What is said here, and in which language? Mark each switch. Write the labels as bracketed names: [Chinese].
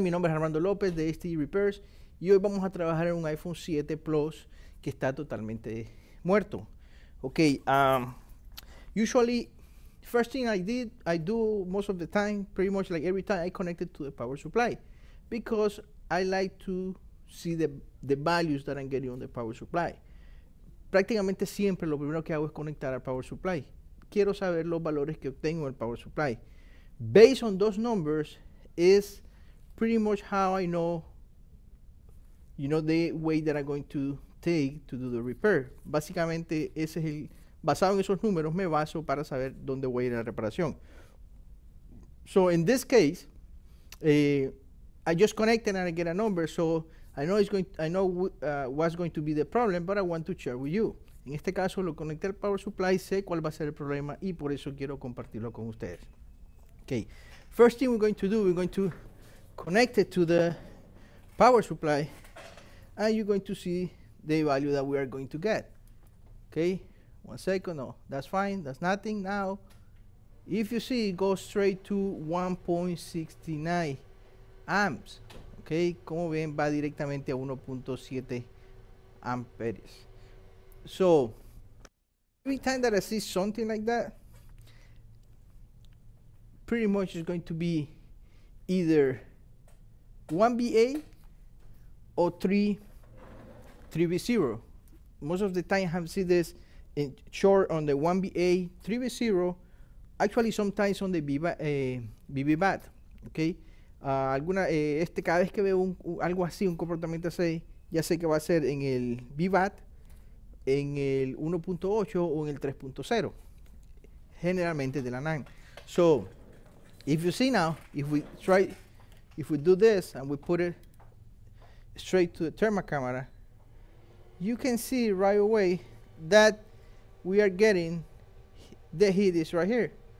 [Spanish] Mi nombre es Armando Lopez de STE Repairs y hoy vamos a trabajar en un iPhone 7 Plus que está totalmente muerto. [English] Okay, usually, first thing I do most of the time, pretty much like every time, I connect it to the power supply because I like to see the values that I'm getting on the power supply. [Spanish] Prácticamente siempre lo primero que hago es conectar al power supply. Quiero saber los valores que obtengo en el power supply. [English] Based on those numbers is pretty much how I know, you know, the way that I'm going to take to do the repair. [Spanish] Básicamente, ese es el, basado en esos números, me baso para saber dónde voy a ir a la reparación. [English] So, in this case, I just connected and I get a number, so I know it's going. I know what's going to be the problem, but I want to share with you. [Spanish] En este caso, lo conecté al power supply, sé cuál va a ser el problema, y por eso quiero compartirlo con ustedes. [English] Okay. First thing we're going to do, we're going to connect it to the power supply, and you're going to see the value that we are going to get. Okay. One second. No, that's fine. That's nothing. Now, if you see, it goes straight to 1.69 amps. [Spanish] Okay, como ven, va directamente a 1.7 amperes. [English] So, every time that I see something like that, pretty much is going to be either 1BA or 3B0. Most of the time I see this in short on the 1BA, 3B0, actually sometimes on the BB-BAT, okay? [Spanish] Cada vez que veo algo así, un comportamiento así, ya sé que va a ser en el BVAT, en el 1.8 o en el 3.0, generalmente de la NANE. [English] So, if you see now, if we do this and we put it straight to the thermal camera, you can see right away that we are getting the heat is right here.